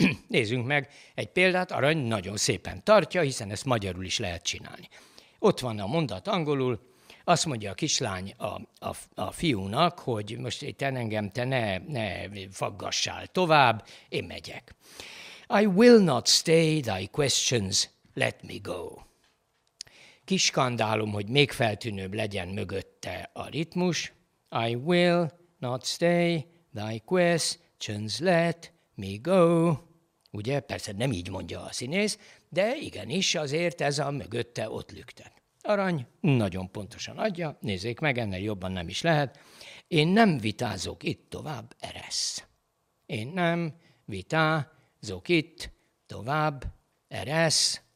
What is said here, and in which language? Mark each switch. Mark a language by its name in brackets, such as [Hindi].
[Hungarian] Nézzünk meg egy példát, arany nagyon szépen tartja, hiszen ezt magyarul is lehet csinálni. Ott van a mondat angolul, azt mondja a kislány a fiúnak, hogy most én engem te ne faggassál tovább, én megyek. [English] I will not stay thy questions, let me go. [Hungarian] Kiskandálom, hogy még feltűnőbb legyen mögötte a ritmus. [English] I will not stay, thy questions let me go. [Hungarian] Ugye, persze nem így mondja a színész, de igenis azért ez a mögötte ott lüktet. Arany nagyon pontosan adja, nézzék meg, ennél jobban nem is lehet. Én nem vitázok itt tovább, eresz. Én nem vitázok itt tovább, eresz.